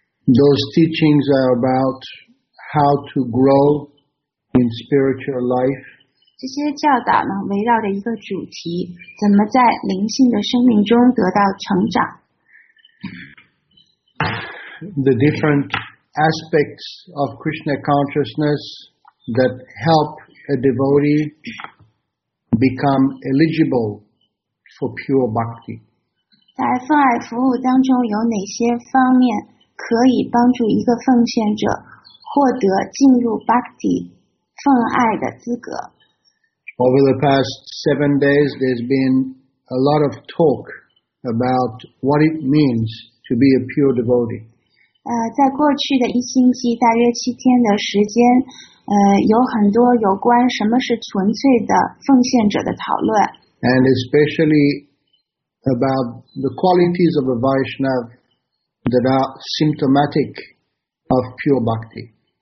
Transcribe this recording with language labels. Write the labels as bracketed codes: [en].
[en] Those teachings are about how to grow in spiritual life. [zh] 这些教导呢，围绕着一个主题，怎么在灵性的生命中得到成长。 [en] The different aspects of Krishna consciousness that help a devotee become eligible for pure bhakti. [zh] 在奉爱服务当中有哪些方面可以帮助一个奉献者获得进入 bhakti 奉爱的资格？ [en] Over the past 7 days, there's been a lot of talk about what it means to be a pure devotee. [zh] 在过去的一星期大约7天的时间有很多有关什么是纯粹的奉献者的讨论。 [en] And especially about the qualities of a Vaishnav that are symptomatic of pure bhakti.